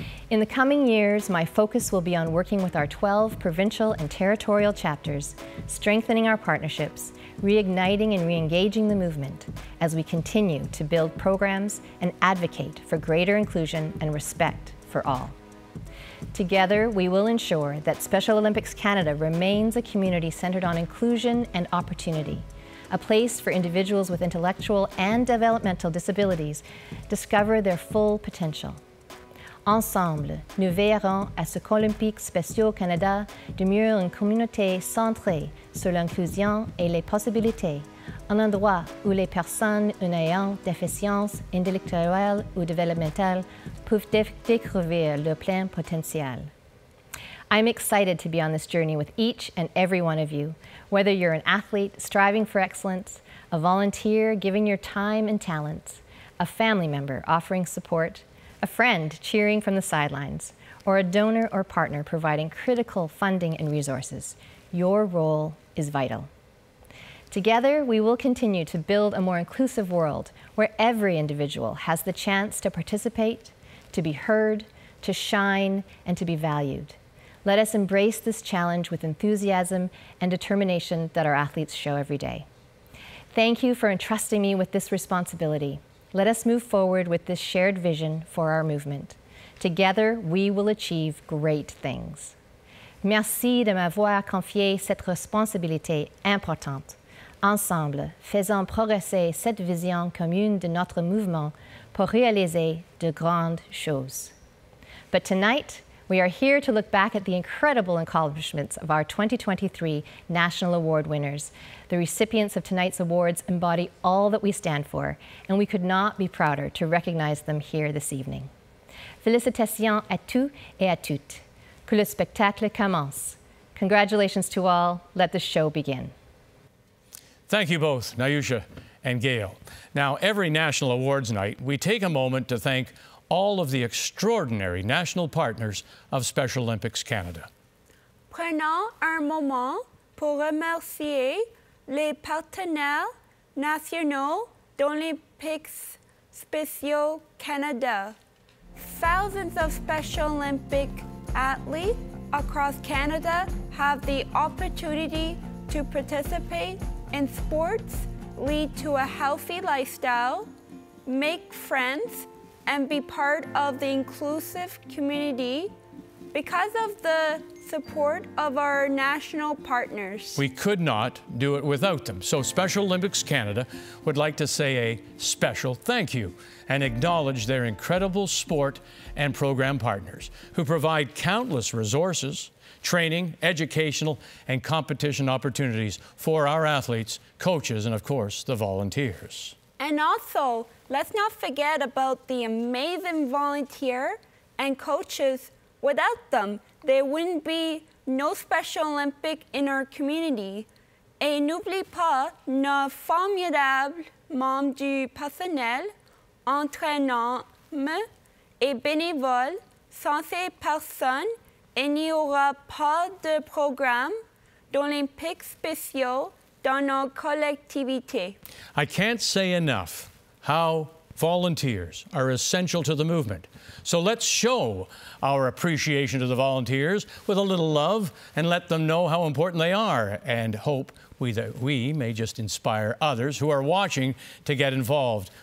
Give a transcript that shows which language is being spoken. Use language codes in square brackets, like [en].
[en] In the coming years, my focus will be on working with our 12 provincial and territorial chapters, strengthening our partnerships, reigniting and re-engaging the movement as we continue to build programs and advocate for greater inclusion and respect for all. Together, we will ensure that Special Olympics Canada remains a community centered on inclusion and opportunity, a place for individuals with intellectual and developmental disabilities to discover their full potential. [fr] Ensemble, nous veillerons à ce qu'Olympiques spéciaux Canada demeure une communauté centrée sur l'inclusion et les possibilités un endroit où les personnes ayant déficience intellectuelle ou développementale peuvent découvrir leur plein potentiel. [en] I'm excited to be on this journey with each and every one of you, whether you're an athlete striving for excellence, a volunteer giving your time and talents, a family member offering support, a friend cheering from the sidelines, or a donor or partner providing critical funding and resources. Your role is vital. Together, we will continue to build a more inclusive world where every individual has the chance to participate, to be heard, to shine, and to be valued. Let us embrace this challenge with enthusiasm and determination that our athletes show every day. Thank you for entrusting me with this responsibility. Let us move forward with this shared vision for our movement. Together, we will achieve great things. [fr] Merci de m'avoir confié cette responsabilité importante. Ensemble, faisons progresser cette vision commune de notre mouvement pour réaliser de grandes choses. [en] But tonight, we are here to look back at the incredible accomplishments of our 2023 National Award winners. The recipients of tonight's awards embody all that we stand for, and we could not be prouder to recognize them here this evening. [fr] Félicitations à tous et à toutes. Que le spectacle commence. [en] Congratulations to all. Let the show begin. Thank you both, Nayusha and Gail. Now, every National Awards night, we take a moment to thank all of the extraordinary national partners of Special Olympics Canada. [fr] Prenons un moment pour remercier les partenaires nationaux d'Olympiques spéciaux Canada. [en] Thousands of Special Olympic athletes across Canada have the opportunity to participate in sports, lead to a healthy lifestyle, make friends, and be part of the inclusive community because of the support of our national partners. We could not do it without them. So Special Olympics Canada would like to say a special thank you and acknowledge their incredible sport and program partners who provide countless resources, training, educational, and competition opportunities for our athletes, coaches, and of course, the volunteers. And also, let's not forget about the amazing volunteer and coaches. Without them, there wouldn't be no Special Olympic in our community. [fr] Et n'oublie pas nos formidables membres du personnel, entraîneurs et bénévoles. Sans ces personnes, il n'y aura pas de programme d'Olympiques spéciaux dans nos collectivités. [en] I can't say enough how volunteers are essential to the movement. So let's show our appreciation to the volunteers with a little love and let them know how important they are and hope that we may just inspire others who are watching to get involved.